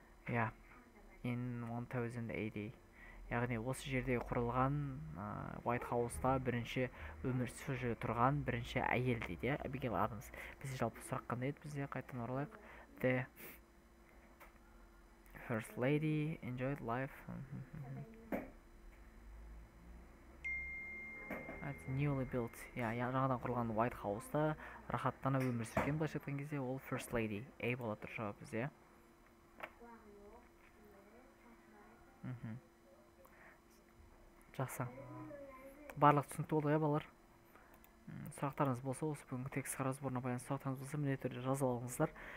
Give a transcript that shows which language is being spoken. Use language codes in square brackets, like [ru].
[en] Yeah, in 1080. [kk] Яғни осы жерде құрылған White House-та бірінші өмір сүрі тұрған бірінші әйел дейді, иә, Abigail Adams. Біз жалпы сұрақ қандай еді, бізде қайтадан оралайық. [en] The first lady enjoyed life at newly built. [kk] Я, жаңадан құрылған White House-та рахаттанып өмір сүрген былайша айтқан кезде ол first lady. A бола тұр жауап бізде. Жақсы. Барлық түсінікті болды, иә, балалар? Сұрақтарыңыз болса, осы бүгінгі текст разборына байланысты сұрақтарыңыз болса, міндетті түрде жазып алыңыздар.